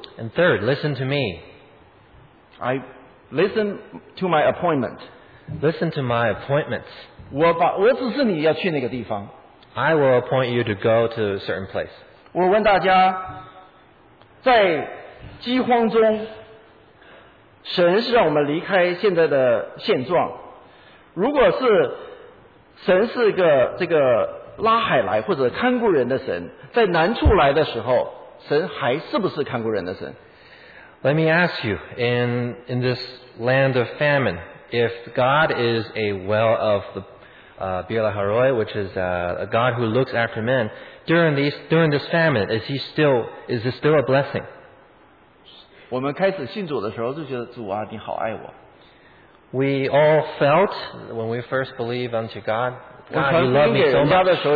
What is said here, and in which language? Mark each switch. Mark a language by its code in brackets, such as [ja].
[en] And third, listen to me. I listen to my appointment. Listen to my appointments. [zh] 我指示你要去那个地方。 [en] I will appoint you to go to a certain place. [zh] 我问大家，在饥荒中，神是让我们离开现在的现状。如果是神是一个这个拉海来或者看顾人的神，在难处来的时候，神还是不是看顾人的神？ [en] Let me ask you, in this land of famine, if God is a well of the Bila Haroi, which is a God who looks after men, during this famine, is this still a blessing? [zh] 我们开始信主的时候就觉得主啊，你好爱我。 [en] We all felt when we first believed unto God, God, you love me so much.